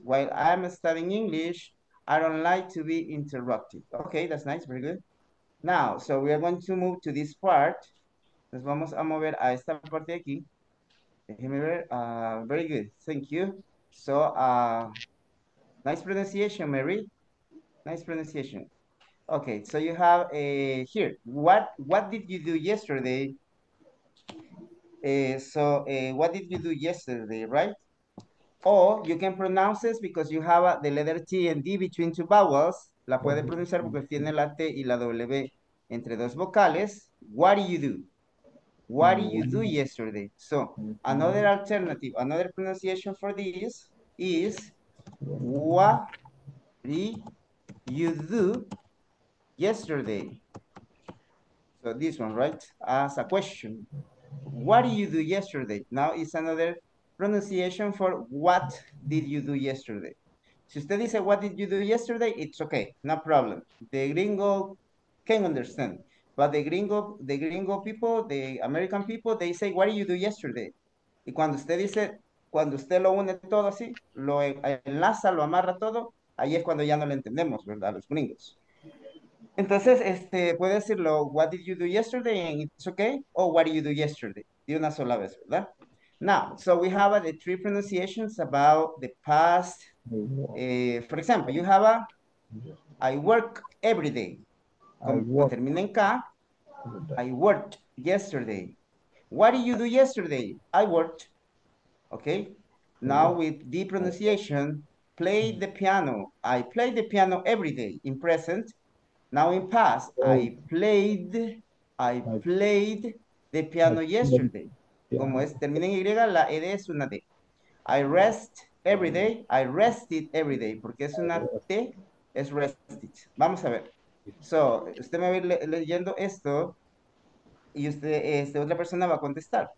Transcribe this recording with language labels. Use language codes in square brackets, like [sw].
[en] While I'm studying English, I don't like to be interrupted. Okay, that's nice. Very good. Now, so we are going to move to this part. [es] Nos vamos a mover a esta parte de aquí. Déjeme ver. [en] Very good. Thank you. So, nice pronunciation, Mary. Nice pronunciation. Okay, so you have a here. What did you do yesterday? What did you do yesterday, right? Or you can pronounce this because you have the letter T and D between two vowels. [es] La puede pronunciar porque tiene la T y la W entre dos vocales. [en] What do you do? What did you do yesterday? So, another alternative, another pronunciation for this is what did you do yesterday? So, this one, right? As a question. What did you do yesterday? Now, it's another pronunciation for what did you do yesterday. [es] Si usted dice, [en] what did you do yesterday? It's okay, no problem. The gringo can understand. But the gringo people, the American people, they say, what did you do yesterday? [es] Y cuando usted dice, cuando usted lo une todo así, lo enlaza, lo amarra todo, ahí es cuando ya no lo entendemos, ¿verdad? Los gringos. Entonces, puede decirlo, [en] what did you do yesterday? And it's okay. [es] O [en] what did you do yesterday? [es] De una sola vez, ¿verdad? [en] Now, so we have the three pronunciations about the past. For example, you have I work every day. [es] Termina en K. [en] I worked yesterday. What did you do yesterday? I worked. Okay. Now with D pronunciation, play the piano. I play the piano every day in present. Now in past, I played the piano yesterday. [es] Como es, termina en Y, la ED es una D. [en] I rest every day. I rested every day. [es] Porque es una T, es rested. Vamos a ver. So, usted me va a ir leyendo esto y usted, otra persona va a contestar.